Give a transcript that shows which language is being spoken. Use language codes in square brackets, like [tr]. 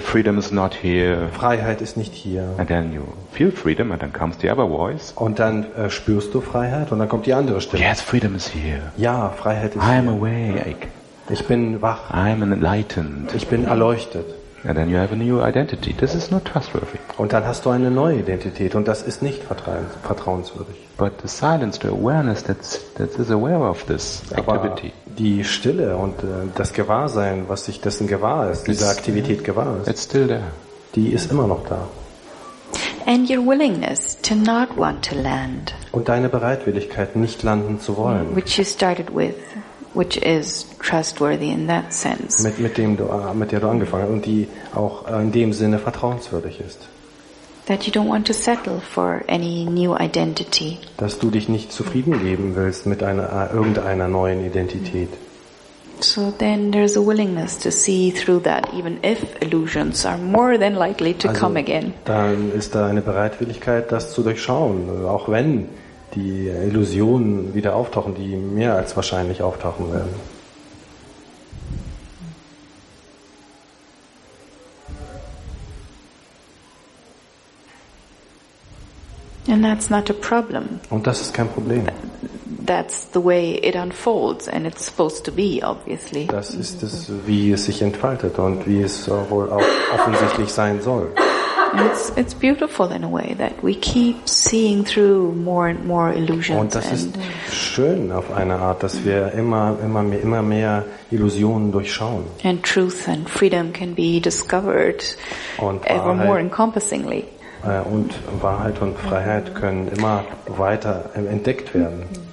[en] Freedom is not here. [de] Freiheit ist nicht hier. [en] And then you feel freedom, and then comes the other voice. [de] Und dann spürst du Freiheit, und dann kommt die andere Stimme. [en] Yes, freedom is here. [de] Ja, Freiheit ist hier. [en] I'm awake. [de] Ich bin wach. [en] I'm enlightened. [de] Ich bin erleuchtet. [en] And then you have a new identity. This is not trustworthy. [de] Und dann hast du eine neue Identität, und das ist nicht vertrauenswürdig. [en] But the silence, the awareness that is aware of this activity. [de] Aber die Stille und das Gewahrsein, was sich dessen gewahr ist, diese Aktivität gewahr ist. [en] It's still there. [de] Die ist immer noch da. [en] And your willingness to not want to land. [de] Und deine Bereitwilligkeit, nicht landen zu wollen. [en] Which you started with. Which is trustworthy in that sense. [de] Mit der du angefangen und die auch in dem Sinne vertrauenswürdig ist. [en] That you don't want to settle for any new identity. [de] Dass du dich nicht zufrieden geben willst mit irgendeiner neuen Identität. [en] So then there's a willingness to see through that, even if illusions are more than likely to [de] also, [en] come again. [de] Dann ist da eine Bereitwilligkeit, das zu durchschauen, auch wenn die Illusionen wieder auftauchen, die mehr als wahrscheinlich auftauchen werden. [en] And that's not a problem. [de] Und das ist kein Problem. [en] That's the way it unfolds and it's supposed to be, obviously. [de] Das ist es, wie es sich entfaltet und wie es wohl auch offensichtlich sein soll. [en] It's beautiful in a way that we keep seeing through more and more illusions. [de] Und das ist schön auf eine Art, dass wir immer mehr Illusionen durchschauen. [en] And truth and freedom can be discovered ever more encompassingly. [de] Und Wahrheit und Freiheit können immer weiter entdeckt werden.